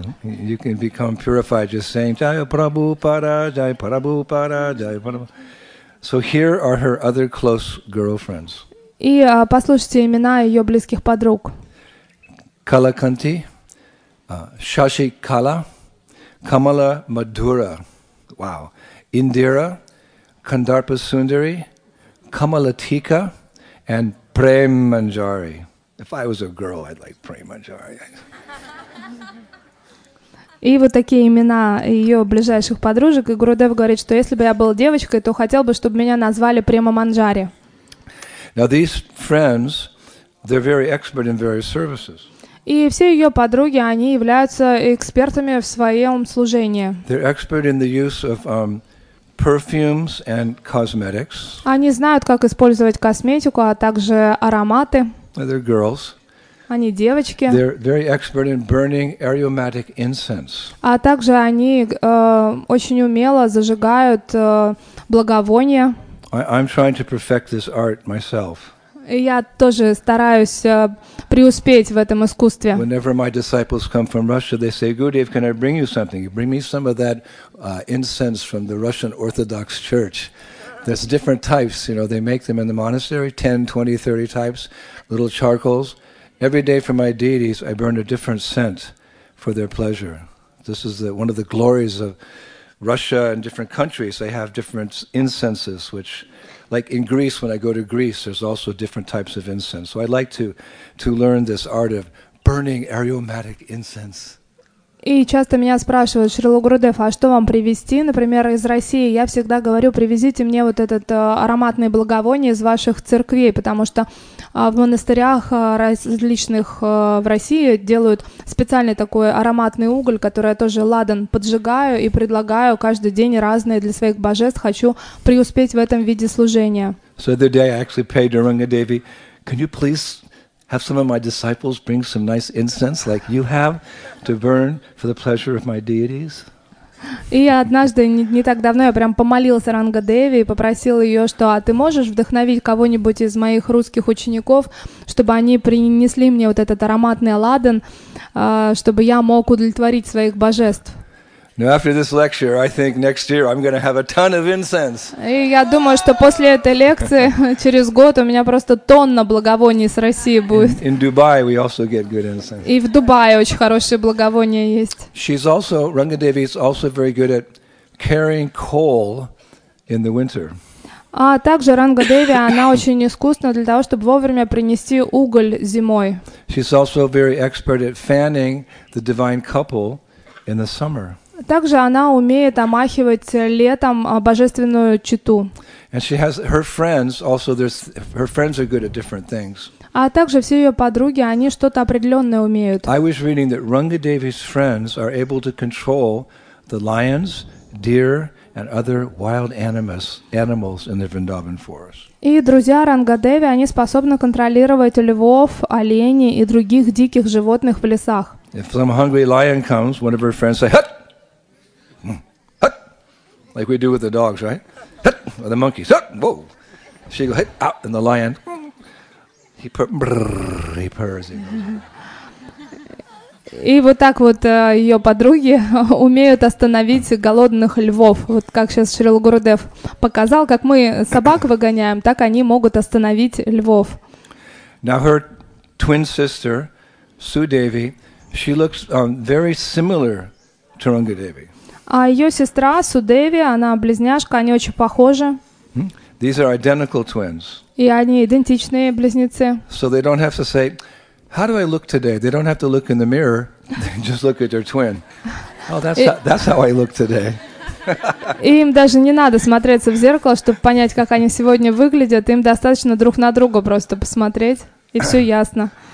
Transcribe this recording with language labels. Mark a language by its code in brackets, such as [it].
[en] You can become purified just saying Jaya Prabhu Para, Jaya Prabhu Para, Jaya Prabhu. So here are her other close girlfriends. [ru] И послушайте имена ее близких подруг. [en] Kalakanti, Shashi Kala, Kamala Madhura. Wow. Indira, Kandarpa Sundari, Kamalatika, and Prem Manjari. If I was a girl, I'd like Prem Manjari. [ru] И вот такие имена ее ближайших подружек. И Гурудев говорит, что если бы я была девочкой, то хотел бы, чтобы меня назвали Према Манджари. [en] Now these friends, they're very expert in various services. [ru] И все ее подруги, они являются экспертами в своем служении. [en] They're expert in the use of perfumes and cosmetics. [ru] Они знают, как использовать косметику, а также ароматы. [en] They're girls. [ru] Они девочки. [en] They're very expert in burning aromatic incense. [ru] А также они очень умело зажигают благовония. [en] I'm trying to perfect this art myself. [ru] И я тоже стараюсь преуспеть в этом искусстве. [en] Whenever my disciples come from Russia, they say, Gurudev, can I bring you something? You bring me some of that incense from the Russian Orthodox Church. There's different types, you know, they make them in the monastery, 10, 20, 30 types, little charcoals. Every day for my deities, I burn a different scent for their pleasure. This is one of the glories of Russia and different countries. They have different incenses, which... Like in Greece, when I go to Greece, there's also different types of incense. So I'd like to learn this art of burning aromatic incense. [ru] И часто меня спрашивают, Шрила Гурудев, а что вам привезти? Например, из России я всегда говорю, привезите мне вот этот ароматный благовоние из ваших церквей, потому что в монастырях различных в России делают специальный такой ароматный уголь, который я тоже ладан поджигаю и предлагаю каждый день разные для своих божеств. Хочу преуспеть в этом виде служения. [en] So the day I actually paid Duranga Devi, can you please... Have some of my disciples bring some nice incense, like you have, to burn for the pleasure of my deities. [ru] И однажды не так давно я прям помолилась Ранга Деви и попросил ее, что а ты можешь вдохновить кого-нибудь из моих русских учеников, чтобы они принесли мне вот этот ароматный ладан, чтобы я мог удовлетворить своих божеств. [en] Now after this lecture, I think next year I'm going to have a ton of incense. [ru] И я думаю, что после этой лекции через год у меня просто тонна благовоний с России будет. [en] In Dubai, we also get good incense. [ru] И в Дубае очень хорошие благовония есть. [en] She's also Ranga Devi is also very good at carrying coal in the winter. [ru] А также Ранга Деви она очень искусна для того, чтобы вовремя принести уголь зимой. [en] She's also very expert at fanning the divine couple in the summer. [ru] Также она умеет омахивать летом божественную чету. [en] And she has her friends also there's her friends are good at different things. [ru] А также все ее подруги, они что-то определенное умеют. [en] I was reading that Runga Devi's friends are able to control the lions, deer, and other wild animals in the Vrindavan forest. [ru] И друзья Рангадеви, они способны контролировать львов, оленей и других диких животных в лесах. [en] If some hungry lion comes, one of her friends say, "Hut!" Hut! Like we do with the dogs, right? Hut! Or the monkeys. Hut! Whoa! She goes, "Hut!" Out, and the lion, he purrs. [ru] И вот так вот ее подруги умеют остановить голодных львов. Вот как сейчас Шрила Гурудев показал, как мы собак выгоняем, так они могут остановить львов. [en] Now her twin sister, Sudevi, she looks very similar to Rangadevi. [ru] А ее сестра Судеви, она близняшка, они очень похожи. [en] These are identical twins. [ru] И они идентичные близнецы. [en] So they don't have to say, "How do I look today?" They don't have to look in the mirror; they just look at their twin. Oh, that's how I look today. [ru] Им даже не надо смотреться в зеркало, чтобы понять, как они сегодня выглядят. Им достаточно друг на друга просто посмотреть, и все ясно.